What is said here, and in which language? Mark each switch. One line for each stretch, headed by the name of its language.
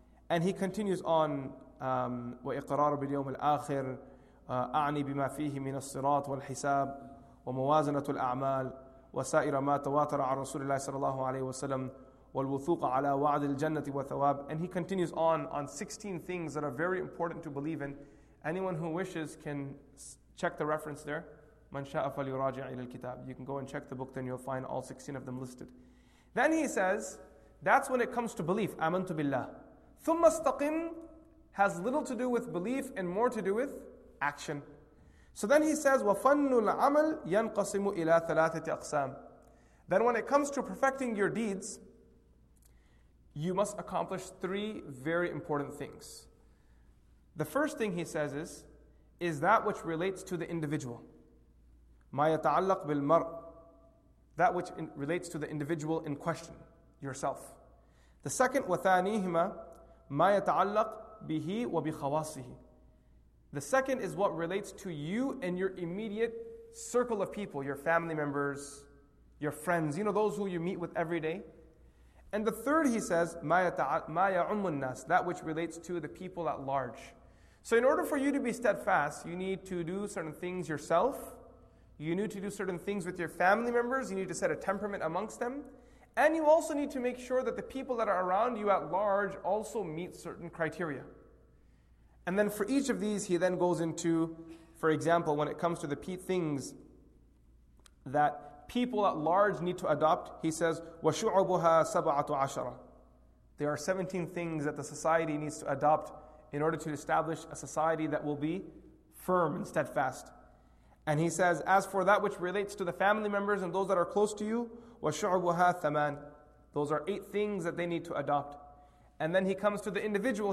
English: And he continues on,
Arabic: وَإِقْرَارُ بِالْيَوْمِ الْآخِرِ, أَعْنِي بِمَا فِيهِ مِنَ الصِّرَاطِ وَالْحِسَابِ وَمَوَازَنَةُ الْأَعْمَالِ وَسَائِرَ مَا تَوَاتَرَ عَنْ رَسُولِ اللَّهِ صَلَى اللَّهُ عَلَيْهِ وَسَلَمْ وَالْوُثُوقَ عَلَى وَعَدِ الْجَنَّةِ وَثَوَابِ.
English: And he continues on 16 things that are very important to believe in. Anyone who wishes can check the reference there.
Arabic: مَنْ شَاءَ فَلْيُرَاجِعْ إِلَى الْكِتَابِ.
English: You can go and check the book, then you'll find all 16 of them listed. Then he says, that's when it comes to belief.
Arabic: آمَنْتُ بِاللَّهِ. ثُمَّ اسْتَقِمْ
English: has little to do with belief and more to do with action. So then he says,
Arabic: وَفَنُّ الْعَمَلِ يَنْقَسِمُ إِلَى ثَلَاثَةِ أَقْسَامِ.
English: Then when it comes to perfecting your deeds, you must accomplish three very important things. The first thing he says is that which relates to the individual.
Arabic: مَا يَتَعَلَّقْ بِالْمَرْءِ,
English: that which relates to the individual in question, yourself. The second,
Arabic: وَثَانِيهِمَا مَا يَتَعَلَّقْ بِهِ وَبِخَوَاصِهِ.
English: The second is what relates to you and your immediate circle of people, your family members, your friends, you know, those who you meet with every day. And the third, he says,
Arabic: مَا يَعُمُّ النَّاسِ,
English: that which relates to the people at large. So in order for you to be steadfast, you need to do certain things yourself, you need to do certain things with your family members, you need to set a temperament amongst them, and you also need to make sure that the people that are around you at large also meet certain criteria. And then for each of these, he then goes into, for example, when it comes to the things that people at large need to adopt. He says,
Arabic: وَشُعُبُهَا سَبَعَةُ عَشَرَةً.
English: There are 17 things that the society needs to adopt in order to establish a society that will be firm and steadfast. And he says, as for that which relates to the family members and those that are close to you,
Arabic: وَشُعُبُهَا ثَمَانٍ.
English: Those are 8 things that they need to adopt. And then he comes to the individual.